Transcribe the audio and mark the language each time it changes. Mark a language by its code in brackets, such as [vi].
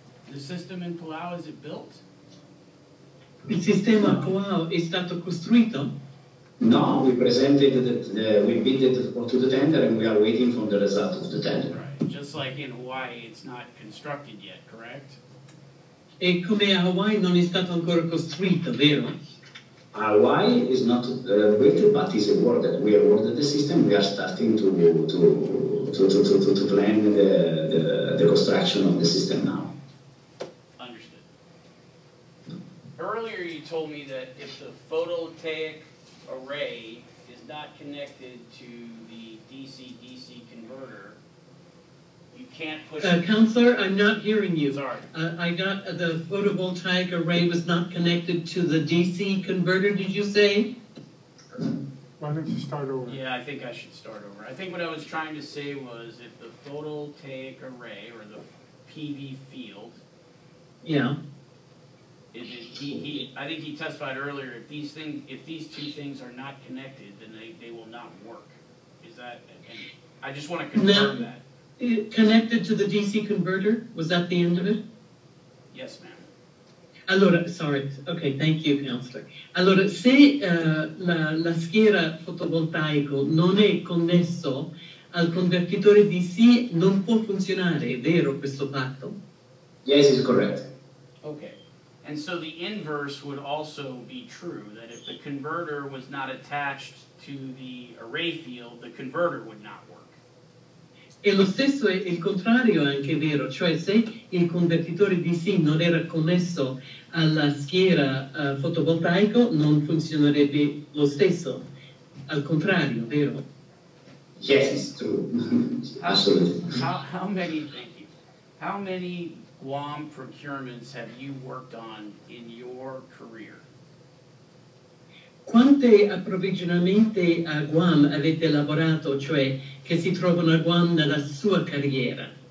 [en] The system in Palau, is it built? [it] Il sistema Palau è stato costruito? [en] No, we presented the we bid it to the tender and we are waiting for the result of the tender. Right. Just like in Hawaii, it's not constructed yet, correct? [it] E come a Hawaii non è stato ancora costruito, vero? [en] Hawaii is not built, but is awarded. We awarded the system. We are starting to plan the construction of the system now. Understood. Earlier, you told me that if the photovoltaic array is not connected to the DC-DC converter, you can't push. Counselor, I'm not hearing you. Sorry. I got the photovoltaic array was not connected to the DC converter, did you say? Why don't you start over? Yeah, I think I should start over. I think what I was trying to say was if the photovoltaic array or the PV field. Yeah. If it, I think he testified earlier if these two things are not connected, then they will not work. Is that. And I just want to confirm now, that. Connected to the DC converter? Was that the end of it? Yes, ma'am. Thank you, Counselor. [it] Allora, se la schiera fotovoltaico non è connesso al convertitore DC, non può funzionare, è vero questo fatto? [en] Yes, it's correct. Okay. And so the inverse would also be true, that if the converter was not attached to the array field, the converter would not work. [it] E lo stesso è il contrario anche vero, cioè se il convertitore DC non era connesso alla schiera fotovoltaico, non funzionerebbe lo stesso. Al contrario, vero? [en] Yes, it's true. Absolutely. How many Guam procurements have you worked on in your career? [it] Quante approvvigionamenti a Guam avete lavorato, cioè che si trovano a Guam nella sua carriera?